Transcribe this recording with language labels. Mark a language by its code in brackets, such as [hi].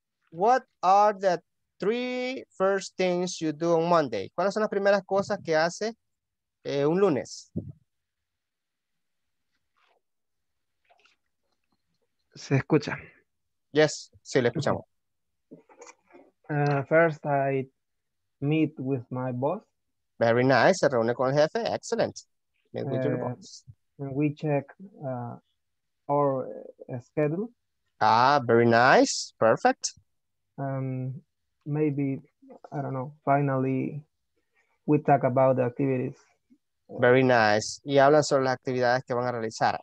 [en] What are the three first things you do on Monday? [es] ¿Cuáles son las primeras cosas que hace un lunes? Se escucha. Yes, sí, le escuchamos. [en] First, I meet with my boss. Very nice, [es] se reúne con el jefe, [en] excellent. Meet with your boss. We check our schedule. Ah, very nice. Perfect. Maybe, I don't know, finally, we talk about the activities. Very nice. [es] Y hablan sobre las actividades que van a realizar.